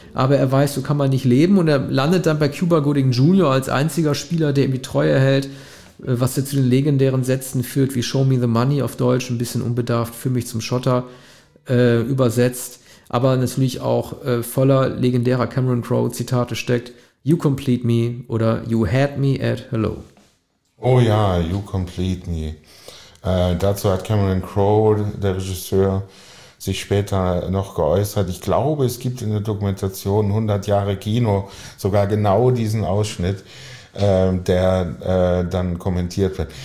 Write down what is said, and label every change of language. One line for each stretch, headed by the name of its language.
German: Aber er weiß, so kann man nicht leben. Und er landet dann bei Cuba Gooding Jr. als einziger Spieler, der ihm die Treue hält, was er zu den legendären Sätzen führt, wie
English: Show me the money
German: auf Deutsch, ein bisschen unbedarft, für mich zum Schotter übersetzt. Aber natürlich auch voller legendärer Cameron Crowe Zitate steckt.
English: You complete me
German: oder
English: you had me at hello. Oh
German: ja,
English: you complete me.
German: Dazu hat Cameron Crowe, der Regisseur, sich später noch geäußert. Ich glaube, es gibt in der Dokumentation 100 Jahre Kino sogar genau diesen Ausschnitt, der dann kommentiert wird.